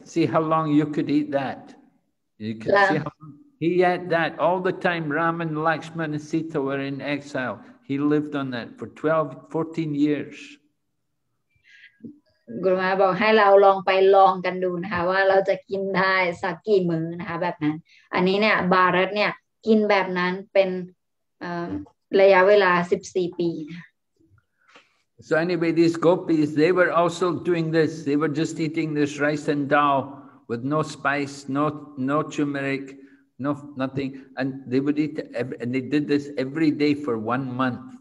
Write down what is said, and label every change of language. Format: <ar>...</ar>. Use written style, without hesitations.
<en>See how long you could eat that. You could see how he ate that all the time. Ram and Lakshman and Sita were in exile. He lived on that for 12, 14 years.</en> <th>กุรุมาบอกให้เราลองไปลองกันดูนะคะว่าเราจะกินได้สักกี่มื้อนะคะแบบนั้นอันนี้เนี่ยบารัตเนี่ยกินแบบนั้นเป็นระยะเวลา14ปี</th> <en>So anyway, these gopis, they were also doing this. They were just eating this rice and dal with no spice, no turmeric, no nothing. And they would eat, and they did this every day for 1 month.</en>